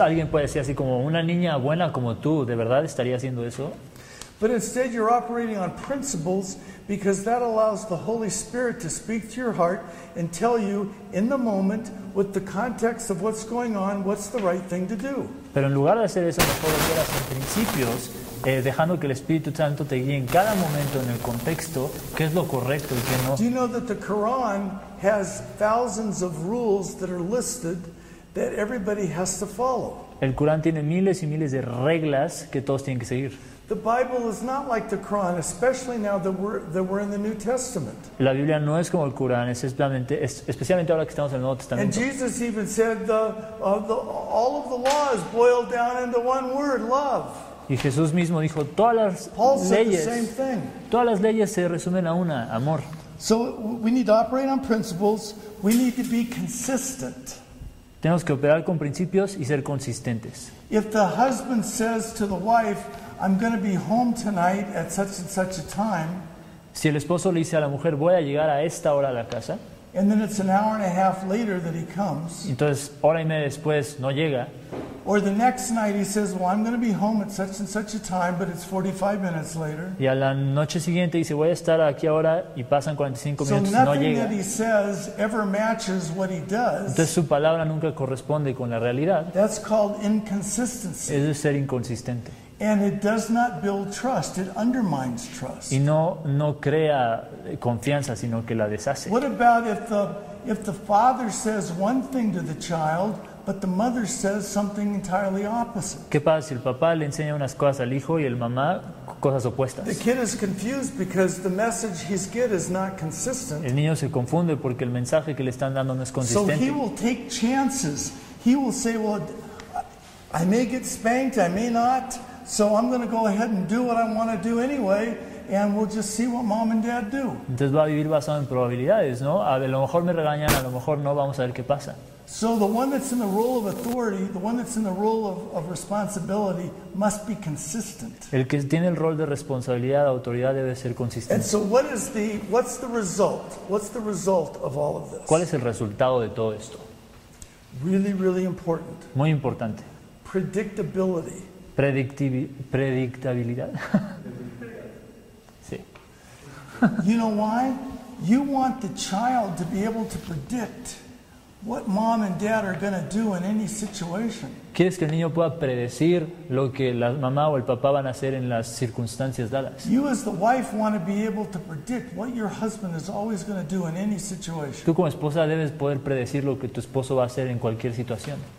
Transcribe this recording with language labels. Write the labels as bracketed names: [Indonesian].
[Spanish] Alguien puede decir así como, "Una niña buena como tú, ¿de verdad estaría haciendo eso?" [English] But instead you're operating on principles because that allows the Holy Spirit to speak to your heart and tell you in the moment with the context of what's going on what's the right thing to do. [Spanish] Pero en lugar de hacer eso, mejor lo hagas en principios, dejando que el Espíritu Santo te guíe en cada momento en el contexto, qué es lo correcto y qué no. [English] Do you know that the Quran has thousands of rules that are listed that everybody has to follow? [Spanish] El Corán tiene miles y miles de reglas que todos tienen que seguir. [English] The Bible is not like the Quran, especially now that we're in the New Testament. [Spanish] La Biblia no es como el Corán, especialmente ahora que estamos en el Nuevo Testamento. [English] And Jesus even said all of the law is boiled down into one word, love. [Spanish] Y Jesús mismo dijo todas las [English] Paul [Spanish] leyes. [English] Said the same thing. [Spanish] Todas las leyes se resumen a una, amor. [English] So we need to operate on principles. We need to be consistent. [Spanish] Tenemos que operar con principios y ser consistentes. [English] If the husband says to the wife, "I'm going to be home tonight at such and such a time." [Spanish] Si el esposo le dice a la mujer, "Voy a llegar a esta hora a la casa." [English] And then it's an hour and a half later that he comes. [Spanish] Entonces, hora y media después, no llega. [English] Or the next night he says, "Well, I'm going to be home at such and such a time," but it's 45 minutes later. [Spanish] Y a la noche siguiente dice, "Voy a estar aquí ahora," y pasan 45 minutos, [English] so [Spanish] no llega. [English] So nothing that he says ever matches what he does. [Spanish] Entonces su palabra nunca corresponde con la realidad. [English] That's called inconsistency. [Spanish] Eso es ser inconsistente. [English] And it does not build trust, it undermines trust. [Spanish] Y no crea confianza, sino que la deshace. [English] What about if the father says one thing to the child, but the mother says something entirely opposite? [Spanish] ¿Qué pasa si el papá le enseña unas cosas al hijo y el mamá cosas opuestas? [English] The kid is confused because the message he's get is not consistent. [Spanish] El niño se confunde porque el mensaje que le están dando no es consistente. [English] So he will take chances. He will say, "Well, I may get spanked, I may not. So I'm going to go ahead and do what I want to do anyway, and we'll just see what mom and dad do. [Spanish] Entonces va a vivir basado en probabilidades, ¿no? A lo mejor me regañan, a lo mejor no, vamos a ver qué pasa. [English] So the one that's in the role of authority, the one that's in the role of responsibility, must be consistent. [Spanish] El que tiene el rol de responsabilidad, de autoridad, debe ser consistente. [English] And so what is the, what's the result? What's the result of all of this? [Spanish] ¿Cuál es el resultado de todo esto? [English] Really, really important. [Spanish] Muy importante. [English] Predictability. [Spanish] Predictabilidad. Sí. [English] You know why? You want the child to be able to predict what mom and dad are going to do in any situation. [Spanish] ¿Quieres que el niño pueda predecir lo que la mamá o el papá van a hacer en las circunstancias dadas? [English] You as the wife want to be able to predict what your husband is always going to do in any situation. [Spanish] Tú como esposa debes poder predecir lo que tu esposo va a hacer en cualquier situación.